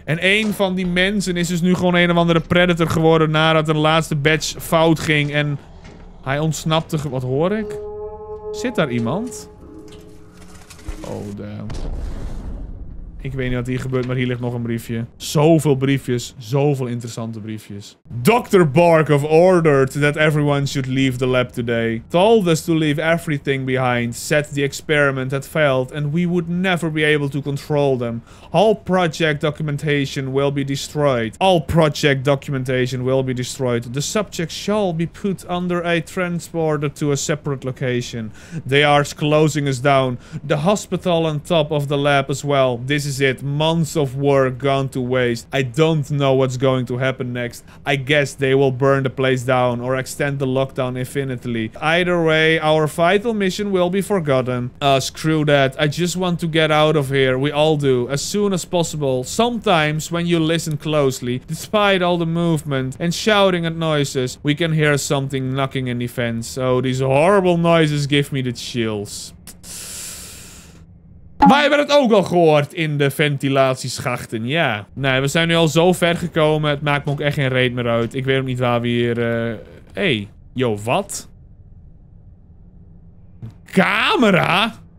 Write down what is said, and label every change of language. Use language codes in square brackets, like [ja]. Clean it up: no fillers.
[nl] En een van die mensen is dus nu gewoon een of andere predator geworden. Nadat een laatste batch fout ging. En hij ontsnapte. Wat hoor ik? Zit daar iemand? Oh, damn. Ik weet niet wat hier gebeurt, maar hier ligt nog een briefje. Zoveel briefjes. Zoveel interessante briefjes. Dr. [en] Bark have ordered that everyone should leave the lab today. Told us to leave everything behind. Said the experiment had failed and we would never be able to control them. All project documentation will be destroyed. All project documentation will be destroyed. The subject shall be put under a transporter to a separate location. They are closing us down. The hospital on top of the lab as well. This is it. Months of work gone to waste. I don't know what's going to happen next. I guess they will burn the place down or extend the lockdown infinitely. Either way, our vital mission will be forgotten. Screw that. I just want to get out of here. We all do. As soon as possible. Sometimes, when you listen closely, despite all the movement and shouting and noises, we can hear something knocking in the fence. Oh, these horrible noises give me the chills. [nl] Wij hebben het ook al gehoord in de ventilatieschachten, ja. Nee, we zijn nu al zo ver gekomen. Het maakt me ook echt geen reet meer uit. Ik weet ook niet waar we hier... Hey, yo, wat? Camera?